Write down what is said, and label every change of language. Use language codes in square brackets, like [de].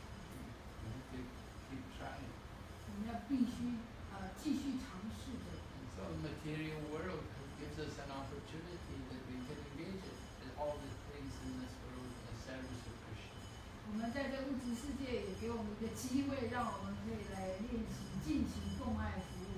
[zh] 我们并不纯，并不很纯洁，我们还是在尝试着要成为奉献者。 [en] Keep trying. [zh] 我们要必须继续尝试着。 [en] So the material world gives us an opportunity that we can engage in all the things in this world in the service of Krishna. [zh] 我们在这物质世界也给我们一个机会，让我们可以来练习进行奉爱服务。